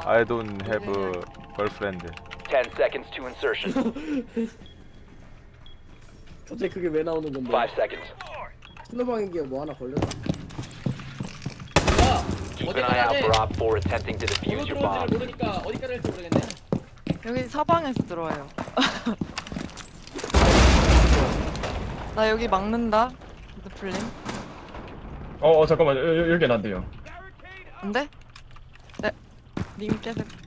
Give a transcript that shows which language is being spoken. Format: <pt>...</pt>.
<en>I don't have a girlfriend. 10 seconds to insertion.</en> <ko>도대체 그게 왜 나오는 건데?</ko> <en>5 seconds.</en> <ko>신호방에게 뭐 하나 걸렸어.</ko> <en>Keep an eye out for Op 4 attempting to defuse your bomb.</en> <ko>모르니까 어디까지 할지 모르겠네. 여기 서방에서 들어와요. 나 여기 막는다. 드플린. 잠깐만. 여긴 안 돼요. 안 돼? 네. 님 깨서.</ko>